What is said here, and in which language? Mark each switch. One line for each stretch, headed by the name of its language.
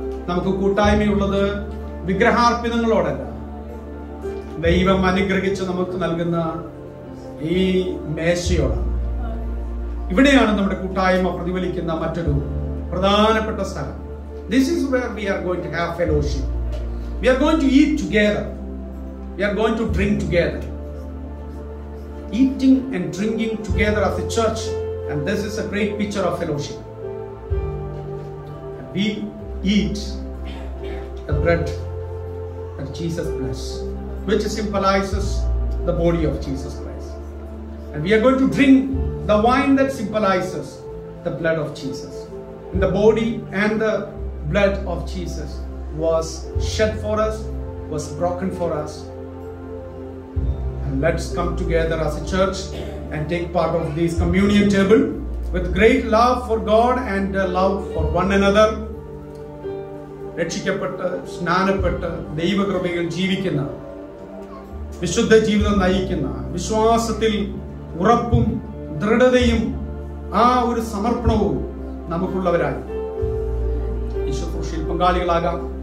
Malayalam: നമുക്ക് കൂട്ടായ്മയുള്ളത് വിഗ്രഹാർപ്പിതങ്ങളോടല്ല, ദൈവം അനുഗ്രഹിച്ച് നമുക്ക് നൽകുന്ന ഈ മേശയോടാണ്. ഇവിടെയാണ് നമ്മുടെ കൂട്ടായ്മ പ്രതിഫലിക്കുന്ന മറ്റൊരു പ്രധാനപ്പെട്ട സ്ഥലം.
English: This is where we are going to have fellowship. We are going to eat together. We are going to drink together. Eating and drinking together as a church, and this is a great picture of fellowship. We eat the bread that Jesus blessed, which symbolizes the body of Jesus Christ. And we are going to drink the wine that symbolizes the blood of Jesus. And the body and the blood of Jesus was shed for us, was broken for us. And let's come together as a church and take part of this communion table with great love for God and love for one another.
Malayalam: രക്ഷിക്കപ്പെട്ട് സ്നാനപ്പെട്ട് ദൈവകൃപയിൽ ജീവിക്കുന്ന, വിശുദ്ധ ജീവിതം നയിക്കുന്ന, വിശ്വാസത്തിൽ ഉറപ്പും ദൃഢതയും ആ ഒരു സമർപ്പണവും നമുക്കുള്ളവരായി വിശുദ്ധ പങ്കാളികളാകാം.